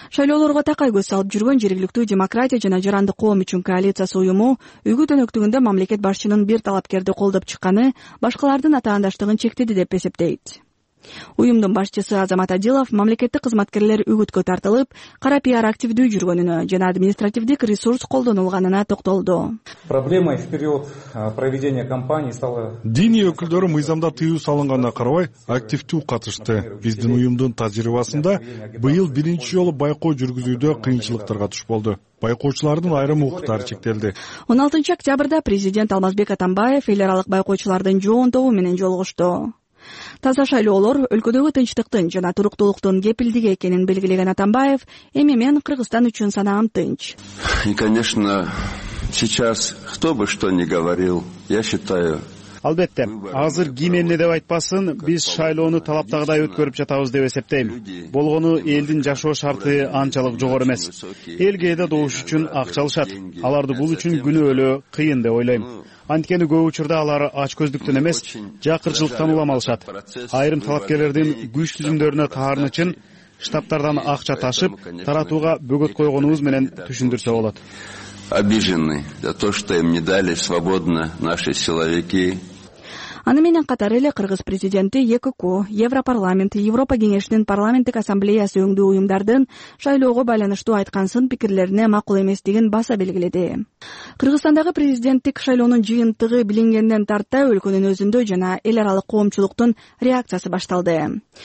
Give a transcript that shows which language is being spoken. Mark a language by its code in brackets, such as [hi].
[ky] Шайлоолорго такай көз салып жүргөн жергиликтүү демократия жана жарандык коом үчүн коалициясы уюму үгүт өнөктүгүндө мамлекет башчынын бир талапкерди колдоп чыкканы башкалардын атаандаштыгын чектеди деп эсептейт. Уюмдун башчысы Азамат Адилов мамлекеттик кызматкерлер үгүткө тартылып, кара пиар активдүү жүргөнүнө жана административдик ресурс колдонулганына токтолду. [ru] Проблемой в период проведения кампании стало. [ky] Диний өкүлдөрү мыйзамда тыюу салынганына карабай, активдүү катышты. Биздин уюмдун тажрыйбасында быйыл биринчи жолу байкоо жүргүзүүдө кыйынчылыктарга туш болду. Байкоочулардын айрым укуктары чектелди. 16 октябрда президент Алмазбек Атамбаев эл аралык байкоочулардын жоон тобу менен жолугушту. Таза шайлоолор өлкөдөгү тынчтыктын жана туруктулуктун кепилдиги экенин белгилеген Атамбаев, эми мен Кыргызстан үчүн санаам тынч. [ru] И, конечно, сейчас кто бы что ни говорил, я считаю. [ky] Албетте, азыр ким эмне деп айтпасын, биз шайлоону талаптагыдай өткөрүп жатабыз деп эсептейм. Болгону элдин жашоо шарты анчалык жогору эмес. Элге да добуш үчүн акчалышат. Аларды бул үчүн күнөөлөө кыйын деп ойлойм. Анткени көп учурда алар ач көздүктөн эмес, жакырчылыктан улам алышат. Айрым талапкерлердин күч түзүмдөрүнө таарын үчүн штабтардан акча ташып, таратууга бөгөт койгонубуз менен түшүндүрсө болот. [ru] Обижены за то, что им не дали свободно наши силовики. [ky] Аны менен катар эле Кыргыз президенти ЕКК, Европарламент, Европа Кеңешинин парламенттик ассамблеясы өңдүү уюмдардын шайлоого байланыштуу айткан сын пикирлерине макул эместигин баса белгиледи. Кыргызстандагы президенттик шайлоонун жыйынтыгы билингенден тарта өлкөнүн өзүндө жана эл аралык коомчулуктун реакциясы башталды.